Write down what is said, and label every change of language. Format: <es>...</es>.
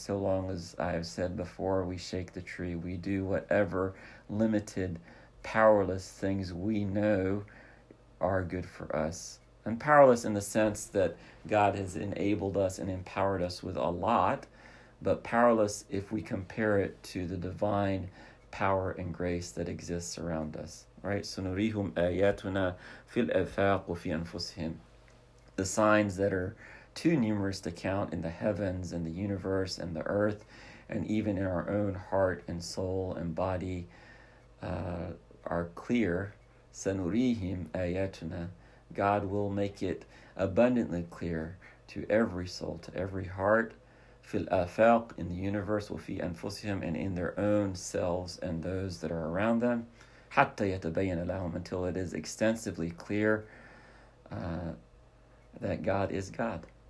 <en>So long as, I have said before, we shake the tree, we do whatever limited, powerless things we know are good for us. And powerless in the sense that God has enabled us and empowered us with a lot, but powerless if we compare it to the divine power and grace that exists around us.</en> <ar>Right, سنريهم آياتنا في الآفاق وفي أنفسهم.</ar> <en>The signs that are too numerous to count in the heavens and the universe and the earth, and even in our own heart and soul and body, are clear,</en> <ar>سَنُرِيهِمْ آيَاتُنَا,</ar> <en>God will make it abundantly clear to every soul, to every heart,</en> <ar>فِي الْآفَاقِ,</ar> <en>in the universe,</en> <ar>وَفِي أَنفُسِهِمْ,</ar> <en>and in their own selves and those that are around them,</en> <ar>حَتَّى يَتَبَيَّنَ لَهُمْ,</ar> <en>until it is extensively clear that God is God.</en>